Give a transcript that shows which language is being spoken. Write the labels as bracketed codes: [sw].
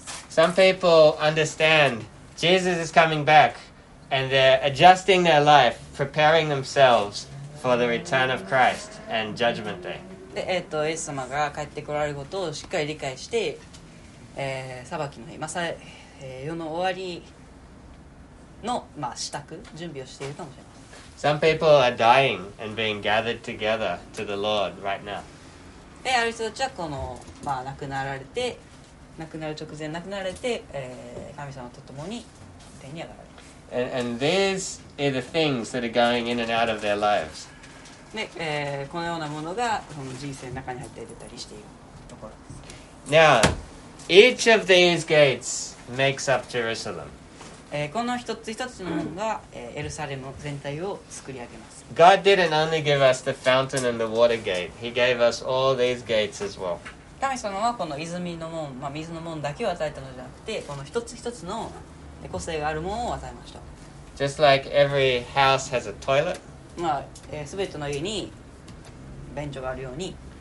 [en] Some people understand Jesus is coming back and they're adjusting their life, preparing themselves for the return of Christ and Judgment Day. [ja] で、イエス様が帰ってこられることをしっかり理解して、裁きの日、世の終わりの、支度、準備をしているかもしれません。 [en] Some people are dying and being gathered together to the Lord right now. [ja] で、ある人たちはこの、亡くなられて、亡くなる直前亡くなられて、神様と共に天に上がられる。 [en] And these are the things that are going in and out of their lives. [ja] このようなものがその人生の中に入って出たりしているところです。 [en] Now, each of these gates makes up Jerusalem. [ja] この一つ一つの門が、エルサレム全体を作り上げます。 [en] God didn't only give us the fountain and the water gate. He gave us all these gates as well. [ja] 神様はこの泉の門、水の門だけを与えたのじゃなくて、この一つ一つの個性がある門を与えました。 [en] Just like every house has a toilet. [ja] すべての家に便所があるように